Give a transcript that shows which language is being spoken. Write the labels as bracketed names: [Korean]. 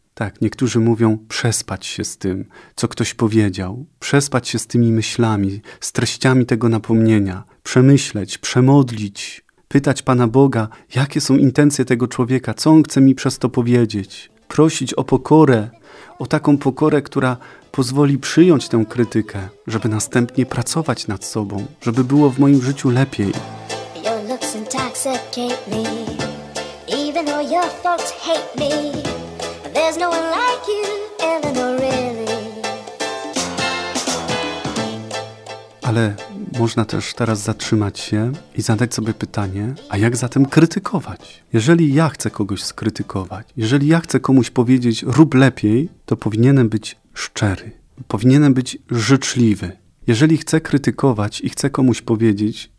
[Polish] Tak, niektórzy mówią przespać się z tym, co ktoś powiedział, przespać się z tymi myślami, z treściami tego napomnienia, przemyśleć, przemodlić, pytać Pana Boga, jakie są intencje tego człowieka, co on chce mi przez to powiedzieć, prosić o pokorę, o taką pokorę, która pozwoli przyjąć tę krytykę, żeby następnie pracować nad sobą, żeby było w moim życiu lepiej. [English] Your looks intoxicate me, even though your folks hate me. There's no one like you, Eleanor, really. [Polish] Ale można też teraz zatrzymać się i zadać sobie pytanie, a jak zatem krytykować? Jeżeli ja chcę kogoś skrytykować, jeżeli ja chcę komuś powiedzieć rób lepiej, to powinienem być szczery, powinienem być życzliwy. Jeżeli chcę krytykować i chcę komuś powiedzieć,